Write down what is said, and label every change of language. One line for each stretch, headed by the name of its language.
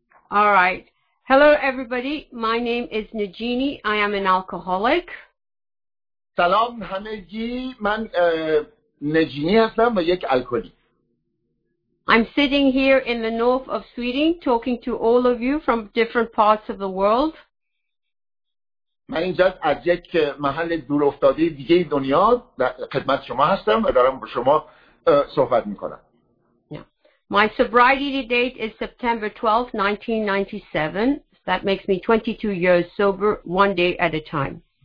English: All right. Hello, everybody. My name is Nijini. I am an alcoholic.
Persian: Salam, Hamedji. Man, Nijini hastam va yek alkoholik.
English: I'm sitting here in the north of Sweden talking to all of you from different parts of the world.
Persian: من اینجا از یک محل دور افتاده دیگه دنیا خدمت شما هستم و دارم با شما صحبت میکنم.
English: My sobriety date is September 12, 1997. That makes me 22 years sober one day at a time.